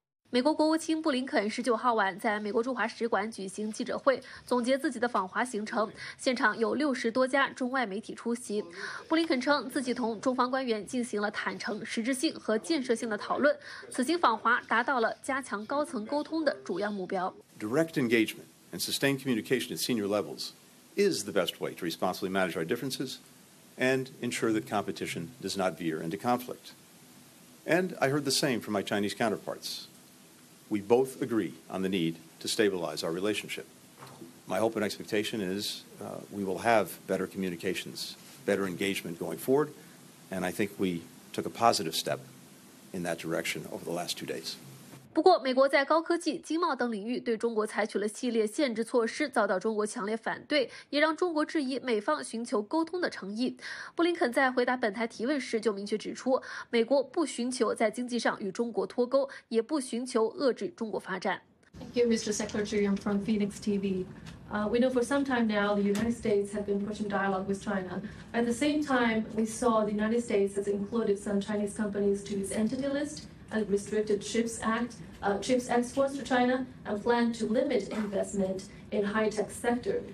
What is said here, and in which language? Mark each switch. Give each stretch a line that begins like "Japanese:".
Chinese: 美国国务卿布林肯19号晚在美国驻华使馆举行记者会，总结自己的访华行程，现场有60多家中外媒体出席。布林肯称，自己同中方官员进行了坦诚、实质性和建设性的讨论，此行访华达到了加强高层沟通的主要目标。
English: Direct engagement and sustained communication at senior levels is the best way to responsibly manage our differences and ensure that competition does not veer into conflict. And I heard the same from my Chinese counterparts. We both agree on the need to stabilize our relationship. My hope and expectation is, we will have better communications, better engagement going forward, and I think we took a positive step in that direction over the last 2 days.
Chinese: 不过，美国在高科技、经贸等领域对中国采取了系列限制措施，遭到中国强烈反对，也让中国质疑美方寻求沟通的诚意。布林肯在回答本台提问时就明确指出，美国不寻求在经济上与中国脱钩，也不寻求遏制中国发展。
English: Thank you, Mr. Secretary. I'm from Phoenix TV. We know for some time now the United States has been pushing dialogue with China. At the same time, we saw the United States has included some Chinese companies to its entity list and restricted CHIPS Act, CHIPS exports to China and plan to limit investment in high-tech sector.